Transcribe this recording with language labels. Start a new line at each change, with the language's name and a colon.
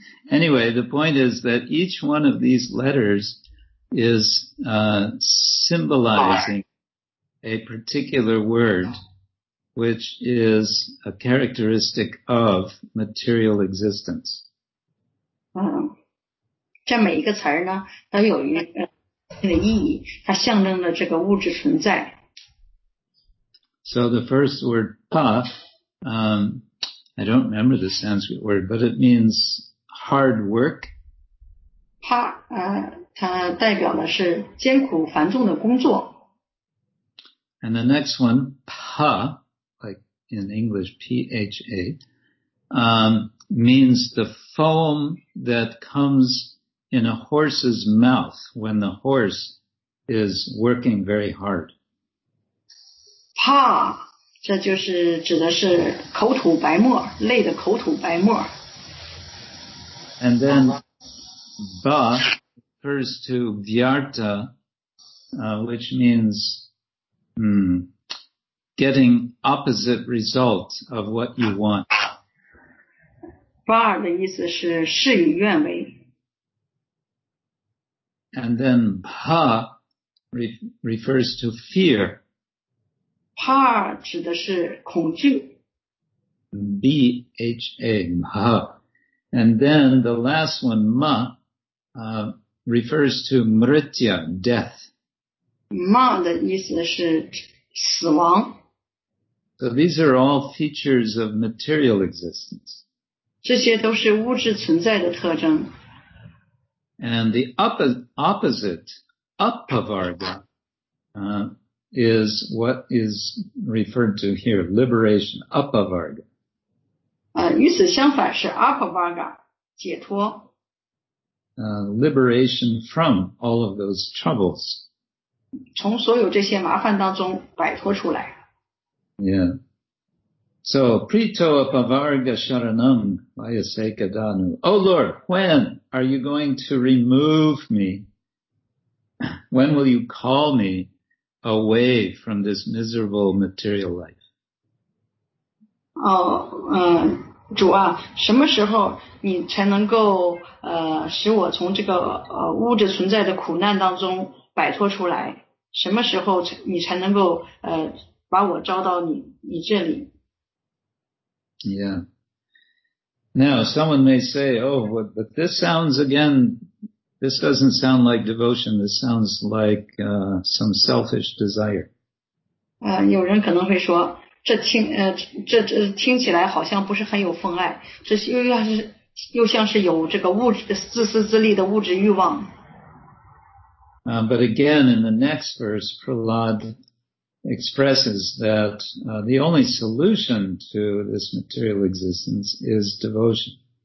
English: Anyway, the point is that each one of these letters is symbolizing a particular word which is a characteristic of material existence.
Chinese: 这每一个词呢都有一个意义，它象征了这个物质存在。
English: So the first word, pa, I don't remember the Sanskrit word, but it means hard work.
Chinese: Pa, 它代表的是艰苦繁重的工作。
English: And the next one, pa, like in English, P-H-A, means the foam that comes in a horse's mouth when the horse is working very hard.
Chinese: Pa, 这就是指的是口吐白沫，累的口吐白沫。
English: And then ba refers to vyarta, which means getting opposite result of what you want.
Chinese: Ba 的意思是事与愿违。
English: And then pa refers to fear.
Chinese: Pa 指的是恐惧。
English: B-H-A, ma. And then the last one, ma, refers to mritya, death.
Chinese: Ma 的意思是死亡。
English: So these are all features of material existence.
Chinese: 这些都是物质存在的特征。
English: And the opposite, apavarga, is what is referred to here, liberation, upavarga.
Chinese: 与此相反是 upavarga, 解脱。
English: Liberation from all of those troubles.
Chinese: 从所有这些麻烦当中摆脱出来。
English: Yeah. So,
Sanskrit: prito upavarga sharanam vayaseka danu.
English: Oh Lord, when are you going to remove me? When will you call me away from this miserable material life?
Chinese: Oh, 主啊，什么时候你才能够使我从这个物质存在的苦难当中摆脱出来？什么时候你才能够把我招到你这里
English: ？Yeah. Now someone may say, "Oh, but this sounds again. This doesn't sound like devotion. This sounds like some selfish desire."
Chinese: 有人可能会说。这听起来好像不是很有奉爱，这又像是有这个物质自私自利的物质欲望。
English: But again, in the next verse, Prahlad expresses that the only solution to this material existence is devotion.